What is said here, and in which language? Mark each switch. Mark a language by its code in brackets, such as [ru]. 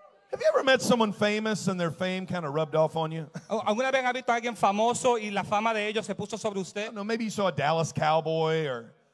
[en] Have you ever met someone famous and their fame kind of rubbed off on you? [es] ¿Alguna vez ha visto a alguien famoso y la fama de ellos se puso sobre usted? [en] No, maybe you saw a Dallas Cowboy or